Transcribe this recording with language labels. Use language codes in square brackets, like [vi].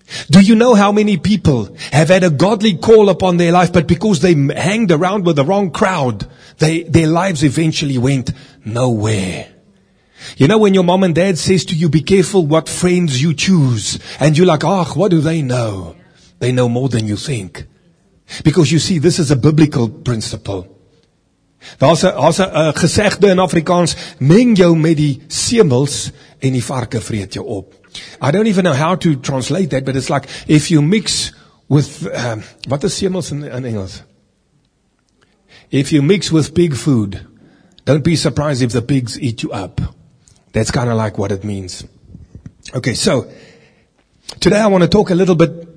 [en] Do you know how many people have had a godly call upon their life, but because they hanged around with the wrong crowd, their lives eventually went nowhere? You know, when your mom and dad says to you, be careful what friends you choose, and you're like, ah, what do they know? They know more than you think. Because you see, this is a biblical principle. [af] Daar's 'n gesegde in Afrikaans, meng jou met die semels en die varke vreet jou op. [en] I don't even know how to translate that, but it's like, if you mix with, what is semels in English? If you mix with pig food, don't be surprised if the pigs eat you up. That's kind of like what it means. Okay, so today I want to talk a little bit.